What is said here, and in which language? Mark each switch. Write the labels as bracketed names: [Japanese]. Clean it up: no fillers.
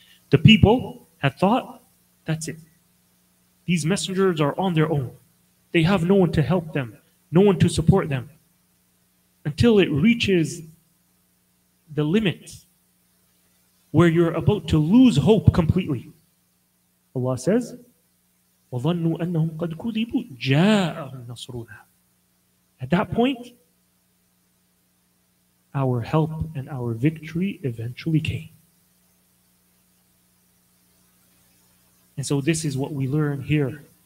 [English] The people had thought, that's it. These messengers are on their own. They have no one to help them, no one to support them. Until it reaches the limit where you're about to lose hope completely. Allah says, [Arabic] وَظَنُّوا أَنَّهُمْ قَدْ كُذِبُوا جَاءَهُمْ نَصْرُونَ. [English] At that point, our help and our victory eventually came. And so this is what we learn here.